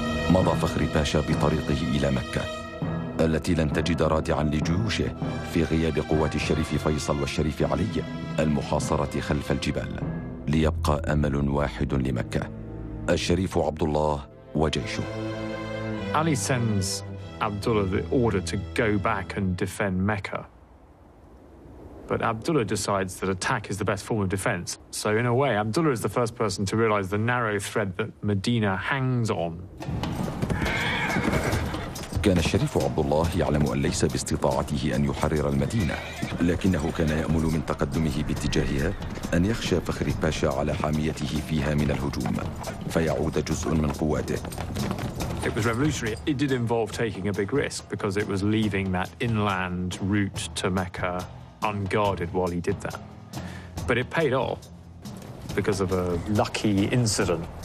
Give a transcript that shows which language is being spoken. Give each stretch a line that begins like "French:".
Arabic: مضى فخري باشا بطريقه إلى مكة التي لن تجد رادعا لجيوشه في غياب قوات الشريف فيصل والشريف علي المحاصرة خلف الجبال. ليبقى أمل واحد لمكة، الشريف عبد الله وجيشه.
English: Ali sends Abdullah the order to go back and defend Mecca. But Abdullah decides that attack is the best form of defense. So in a way, Abdullah is the first person to realize the narrow thread that Medina hangs on.
Arabic: كان الشريف عبد الله يعلم أن ليس باستطاعته أن يحرر المدينة، لكنه كان يأمل من تقدمه باتجاهها أن يخشى فخر باشا على حاميته فيها من الهجوم، فيعود جزء من قواته.
English: It was revolutionary. It did involve taking a big risk because it was leaving that inland route to Mecca unguarded while he did that. But it paid off because of a lucky incident.